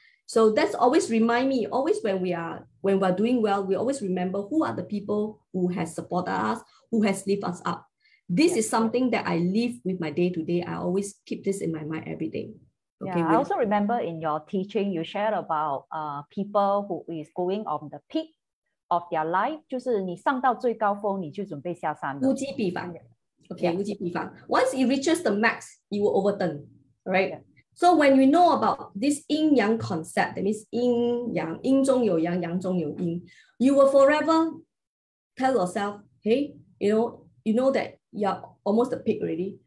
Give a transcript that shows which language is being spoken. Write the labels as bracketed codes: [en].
[en] So that's always remind me, always when we are doing well, we always remember who are the people who has supported us, who has lifted us up. This is something that I live with my day to day. I always keep this in my mind every day. Okay, yeah, I also remember in your teaching, you shared about people who is going on the peak of their life. [zh] 就是你上到最高峰,你就准备下山了。物极必反。 Okay, yeah. 无极必反. [en] Once it reaches the max, it will overturn, right? Yeah. So when we know about this yin yang concept, that means yin yang, [zh] yin zhong you yang, yang zhong you yin, [en] you will forever tell yourself, hey, you know that you're almost the peak already.